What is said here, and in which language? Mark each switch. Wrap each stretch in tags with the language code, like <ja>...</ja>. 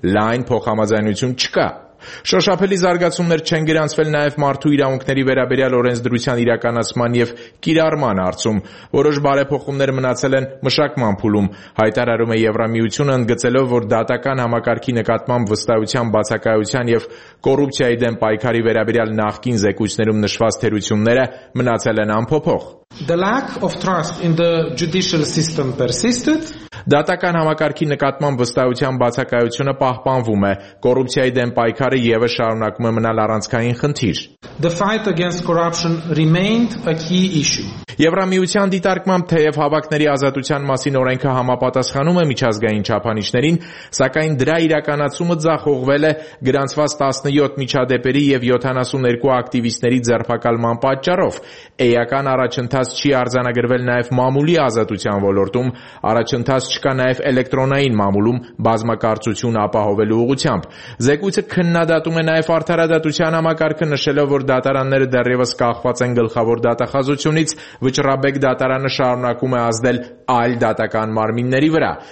<hy>լայն փոխհամաձայնություն չկա։ Շոշափելի զարգացումներ չեն գրանցվել նաև մարդու իրավունքների վերաբերյալ օրենսդրության իրականացման և կիրառման արդյունքում։ Որոշ բարեփոխումներ մնացել են մշակման փուլում, հայտարարում է Եվրամիությունը, ընդգծելով, որ դատական համակարգի նկատմամբ վստահության բացակայության և կոռուպցիայի դեմ պայքարի վերաբերյալ նախկին զեկույցներում նշված թերությունները մնացել են անփոփոխ։</hy> <en>The lack of trust in the judicial system persisted.</en> <hy>Դատական համակարգի նկատմամբ վստահության բացակայությունը պահպանվում է, կոռուպցիայի դեմ պայքարը ևս շարունակում է մնալ առանցքային խնդիր։</hy> <en>The fight against corruption remained a key issue.</en> <hy>Եվրամիության դիտարկմամբ, թեև հավաքների ազատության մասին օրենքը համապատասխանում է միջազգային չափանիշներին, սակայն դրա իրականացումը ձախողվել է գրանցված 17 միջադեպերի և 72 ակտիվիստների ձերբակալման պատճառով։ Էական առաջընթաց չի արձանագրվել նաև մամուլի ազատության ոլորտում, առաջընթաց չկա նաև էլեկտրոնային մամուլում բազմակարծություն ապահովելու ուղղությամբ։ Զեկույցը քննադատում է նաև արդարադատության համակարգը, նշելով, որ դատարանները դեռևս կախված են գլխավոր դատախազությունից, վճռաբեկ դատարանը շարունակում է ազդել այլ դատական մարմինների վրա։</hy>